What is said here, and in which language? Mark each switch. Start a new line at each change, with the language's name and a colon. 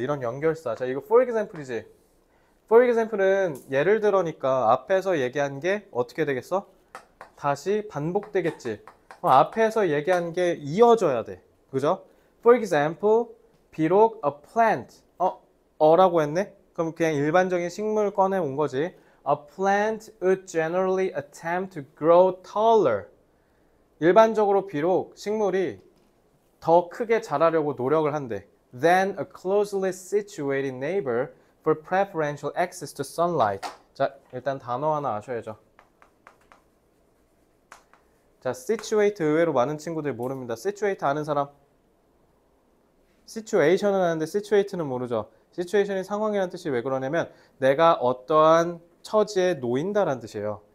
Korean: 이런 연결사. 자, 이거 for example이지. for example은 예를 들어니까 앞에서 얘기한 게 어떻게 되겠어? 다시 반복되겠지. 그럼 앞에서 얘기한 게 이어져야 돼. 그죠? For example, 비록 a plant, 어라고 했네? 그럼 그냥 일반적인 식물 꺼내 온 거지.
English: A plant would generally attempt to grow taller.
Korean: 일반적으로 비록 식물이 더 크게 자라려고 노력을 한대.
English: Than a closely situated neighbor for preferential access to sunlight.
Korean: 자, 일단 단어 하나 아셔야죠. 자, situate 의외로 많은 친구들이 모릅니다. situate 아는 사람? situation은 아는데 situate는 모르죠. situation이 상황이라는 뜻이 왜 그러냐면 내가 어떠한 처지에 놓인다라는 뜻이에요.